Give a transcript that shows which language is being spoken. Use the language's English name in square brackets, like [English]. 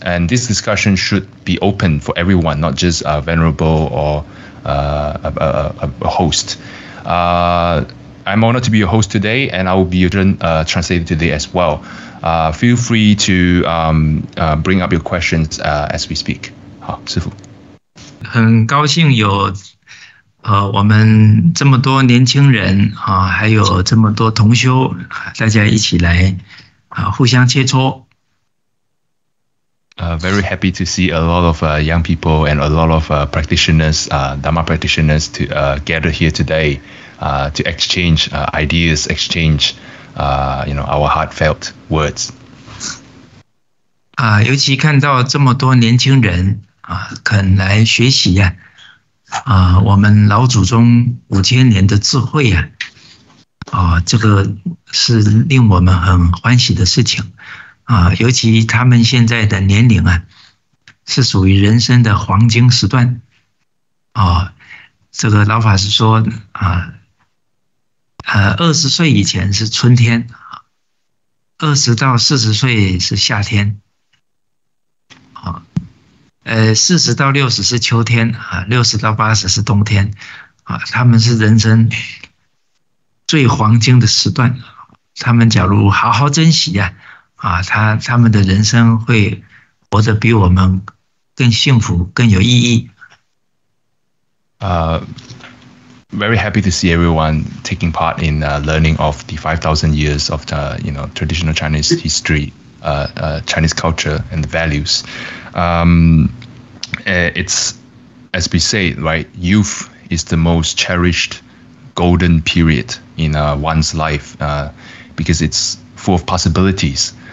[English] And this discussion should be open for everyone, not just Venerable or a host. I'm honored to be your host today, and I will be your translator today as well. Feel free to bring up your questions as we speak. [Chinese] 好，师傅。很高兴有我们这么多年轻人还有这么多同修，大家一起来互相切磋。 Very happy to see a lot of young people and a lot of practitioners, Dharma practitioners, to gather here today to exchange ideas, exchange you know, our heartfelt words. 尤其看到这么多年轻人肯来学习呀，我们老祖宗五千年的智慧呀，这个是令我们很欢喜的事情。尤其他们现在的年龄啊，是属于人生的黄金时段。这个老法师说二十岁以前是春天，二十到四十岁是夏天，四十到六十是秋天，六十到八十是冬天，他们是人生最黄金的时段，他们假如好好珍惜呀、他们的人生会活得比我们更幸福，更有意义。 [English] Very happy to see everyone taking part in learning of the 5,000 years of the, you know, traditional Chinese history, Chinese culture and values. It's, as we say, right, youth is the most cherished golden period in one's life because it's full of possibilities.